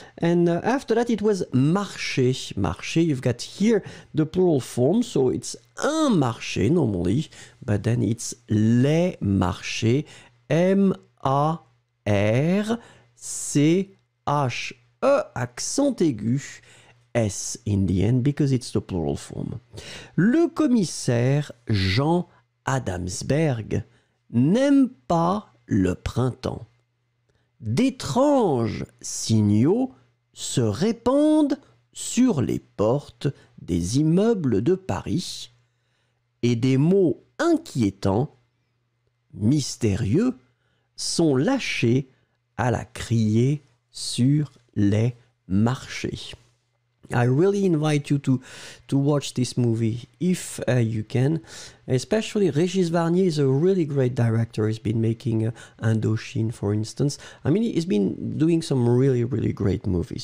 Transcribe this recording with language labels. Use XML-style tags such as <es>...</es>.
<en>And after that, it was marché, marché. You've got here the plural form, so it's</en> <fr>un marché,</fr> <en>normally, but then it's</en> <fr>les marchés,</fr> <en>M-A-R-C-H. E, accent aigu, S in the end, because it's the plural form.</en> <fr>Le commissaire Jean Adamsberg n'aime pas le printemps. D'étranges signaux se répandent sur les portes des immeubles de Paris et des mots inquiétants, mystérieux, sont lâchés à la criée sur les marchés.</fr> <en>I really invite you to watch this movie if you can. Especially Régis Varnier is a really great director. He's been making Indochine, for instance. I mean, he's been doing some really, really great movies.</en>